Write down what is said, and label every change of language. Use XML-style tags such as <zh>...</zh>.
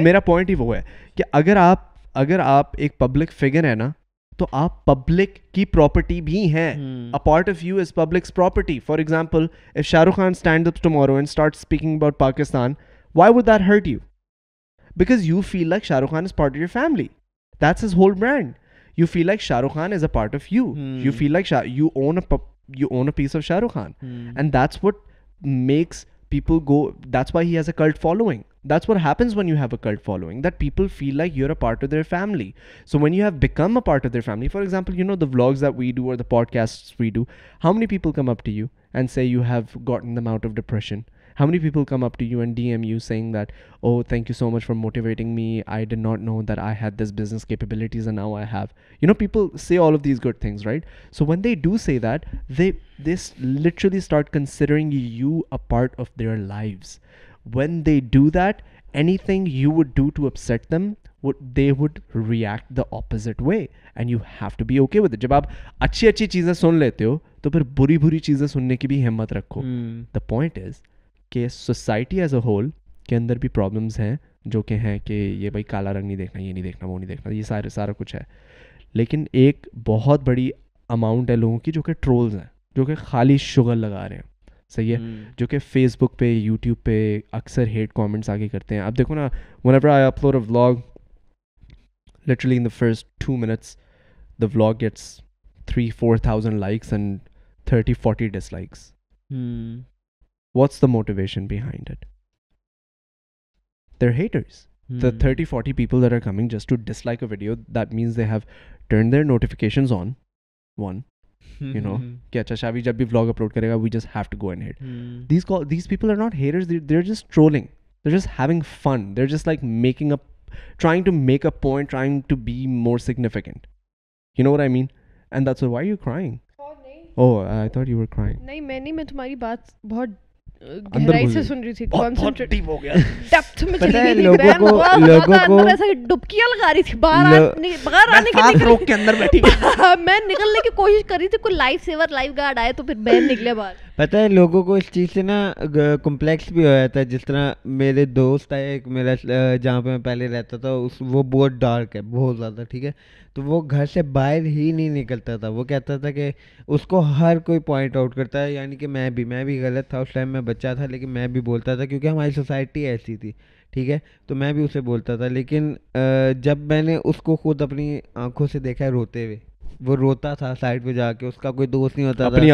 <ur>میرا پوائنٹ ہی وہ ہے کہ اگر آپ ایک پبلک فگر ہیں نا, تو آپ پبلک کی پراپرٹی بھی ہیں.</ur> <en>A part of you is public property. For example if Shah Rukh Khan stand up tomorrow and start speaking about Pakistan, why would that hurt you? Because you feel like Shah Rukh Khan is part of your family, that's his whole brand. You feel like Shah Rukh Khan is a part of you. You feel like you own a piece of Shah Rukh Khan. And that's what makes people go, that's why he has a cult following. That's what happens when you have a cult following, that people feel like you're a part of their family. So when you have become a part of their family, for example, you know, the vlogs that we do or the podcasts we do, how many people come up to you and say you have gotten them out of depression? How many people come up to you and DM you saying that, oh, thank you so much for motivating me, I did not know that I had this business capabilities and now I have. You know, people say all of these good things, right? So when they do say that, they literally start considering you a part of their lives. When they do that, anything you would do to upset them, they would react the opposite way. And you have to be okay with it.</en> <ur>جب آپ اچھی اچھی چیزیں سن لیتے ہو, تو پھر بری بری چیزیں سننے کی بھی ہمت رکھو.</ur> <en>The point is, society as a whole</en> <ur>کے اندر بھی پرابلمس ہیں جو کہ ہیں کہ یہ بھائی کالا رنگ نہیں دیکھنا, یہ نہیں دیکھنا, وہ نہیں دیکھنا, یہ سارا کچھ ہے. لیکن ایک بہت بڑی اماؤنٹ ہے لوگوں کی جو کہ ٹرولز ہیں, جو کہ خالی شوگر لگا رہے ہیں, صحیح ہے, جو کہ فیس بک پہ یوٹیوب پہ اکثر ہیٹ کامنٹس آگے کرتے ہیں. اب دیکھو نا,</ur> <en>One ever I upload a vlog, literally in the first two minutes the vlog gets 3,000-4,000 likes and 30-40 dislikes. What's the motivation behind it? They're haters. The 30-40 people that are coming just to dislike a video, that means they have turned their notifications on. One. You know,</en> <ur>ki acha Shavi jab bhi vlog upload karega,</ur> <en>we just have to go and hate. These people are not haters. They're just trolling. They're just having fun. They're just like trying to make a point, trying to be more significant. You know what I mean? And that's why are you crying? Oh, I thought you were crying.</en> <ur>Nahin, main tumhari baat bahut گہرائی سے سن رہی تھی، concentrate deep ہو گیا، depth میں چلی گئی، لوگوں کو ایسا ڈبکی لگا رہی تھی، باہر آنے کے لیے روک کے اندر بیٹھی، میں نکلنے کی کوشش کر رہی تھی، کوئی لائف سیور لائف گارڈ آئے تو پھر میں نکلے باہر. پتہ ہے لوگوں کو اس چیز سے نا کمپلیکس بھی ہو جاتا ہے، جس طرح میرے دوست آئے ایک میرا جہاں پہ میں پہلے رہتا تھا، اس وہ بہت ڈارک ہے، بہت زیادہ، ٹھیک ہے، تو وہ گھر سے باہر ہی نہیں نکلتا تھا، وہ کہتا تھا کہ اس کو ہر کوئی پوائنٹ آؤٹ کرتا ہے، یعنی کہ میں بھی غلط تھا اس ٹائم، میں بچہ تھا لیکن میں بھی بولتا تھا کیونکہ ہماری سوسائٹی ایسی تھی، ٹھیک ہے، تو میں بھی اسے بولتا تھا، لیکن جب میں نے اس کو خود اپنی آنکھوں سے دیکھا ہے روتے ہوئے، وہ روتا تھا سائڈ پہ جا کے، اس کا کوئی دوست نہیں ہوتا تھا،</ur>